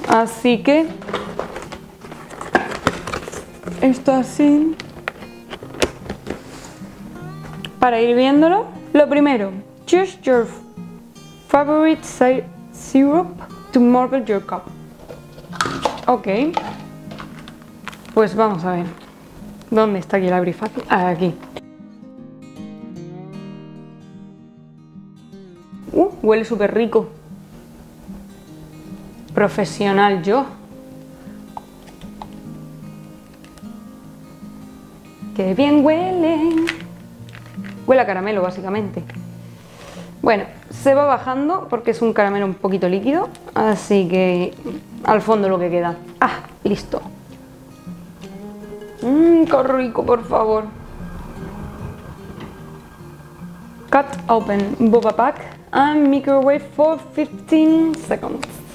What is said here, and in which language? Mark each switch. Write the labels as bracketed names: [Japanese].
[Spanish] Así que esto así, para ir viéndolo. Lo primero, [English] choose your favorite side syrup to marble your cup. [Spanish] Ok, pues vamos a ver dónde está aquí el abrifácil. Ah, aquí. Huele súper rico. Profesional yo. Qué bien huele. Huele a caramelo, básicamente. Bueno, se va bajando porque es un caramelo un poquito líquido, así que al fondo lo que queda. ¡Ah! ¡Listo! ¡Mmm! ¡Qué rico, por favor! [English] Cut open boba pack and microwave for 15 seconds.